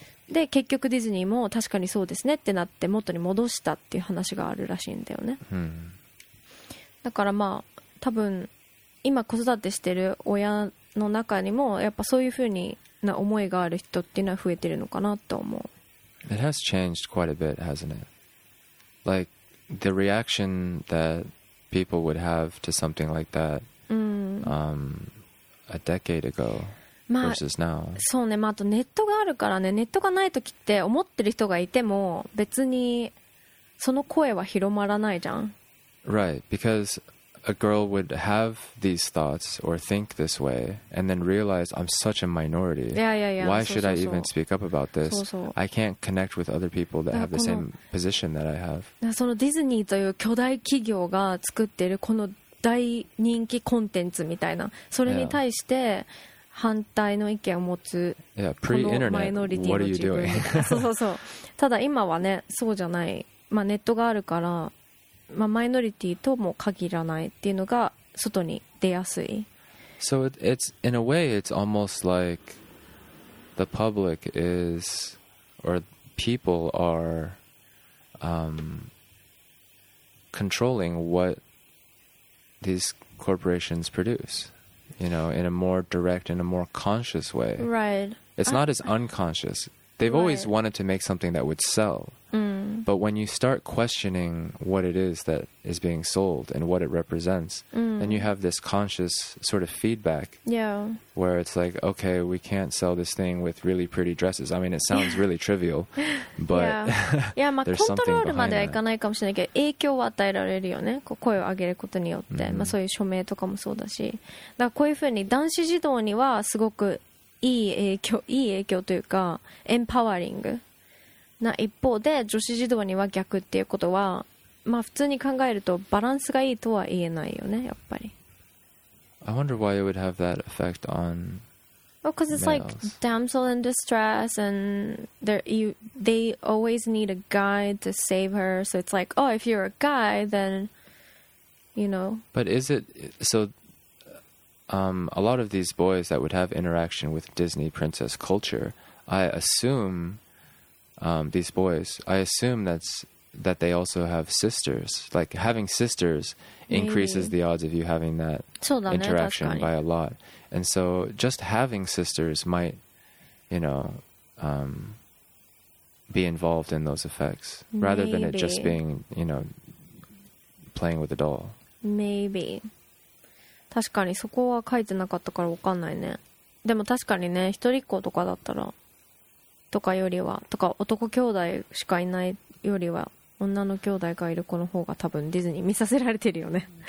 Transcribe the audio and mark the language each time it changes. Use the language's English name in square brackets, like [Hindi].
[Japanese] で結局ディズニーも確かにそうですねってなって元に戻したっていう話があるらしいんだよね。だからまあ多分今子育てしてる親の中にもやっぱそういう風にな思いがある人っていうのは増えてるのかなと思う。 [English] It has changed quite a bit, hasn't it? Like the reaction thatPeople would have to something like that、a decade ago、まあ、 versus now. [Japanese] そうね、まあ、あとネットがあるからね、ネットがない時って思ってる人がいても別にその声は広まらないじゃん。 [English] Right, because a girl would have these thoughts or think this way and then realize I'm such a minority. Yeah. Why [Japanese] そうそう [English] I even speak up about this? [Japanese] そう [English] I can't connect with other people that have the same position that I have. [Japanese] そのディズニーという巨大企業が作ってるこの大人気コンテンツみたいな、それに対して反対の意見を持つ、 [English] yeah. pre-internet, [Japanese] このマイノリティの自分。 [English] What are you doing? [Japanese] そう。ただ今はね、そうじゃない。まあネットがあるから。まあ、マイノリティとも限らないっていうのが外に出やすい。 [English] So it's in a way it's almost like the public is, or people are, controlling what these corporations produce, you know, in a more direct, in a more conscious way. Right. It's not as unconscious. They've always wanted to make something that would sell. Mm. But when you start questioning what it is that is being sold and what it represents, then you have this conscious sort of feedback. Yeah. Where it's like, okay, we can't sell this thing with really pretty dresses. I mean, it sounds really trivial, but yeah. Yeah, there's something behind that. Yeah, [Japanese] controlまではいかないかもしれないけど、影響を与えられるよね。こう声を上げることによって、mm-hmm. まあそういう署名とかもそうだし。だからこういうふうに男子児童にはすごくいい影響、いい影響というか、エンパワーリングな一方で、女子児童には逆っていうことは、まあ普通に考えるとバランスがいいとは言えないよね、やっぱり。 [English] I wonder why it would have that effect on males. Because it's like damsel in distress and they always need a guy to save her. So it's like, oh, if you're a guy, then, you know. But is it, so... a lot of these boys that would have interaction with Disney princess culture, I assume, these boys, I assume that they also have sisters. Like, having sisters increases the odds of you having that interaction by a lot. And so just having sisters might, you know, be involved in those effects rather than it just being, you know, playing with a doll. Maybe. [Japanese] 確かにそこは書いてなかったから分かんないね。でも確かにね、一人っ子とかだったらとかよりはとか、男兄弟しかいないよりは女の兄弟がいる子の方が多分ディズニー見させられてるよね。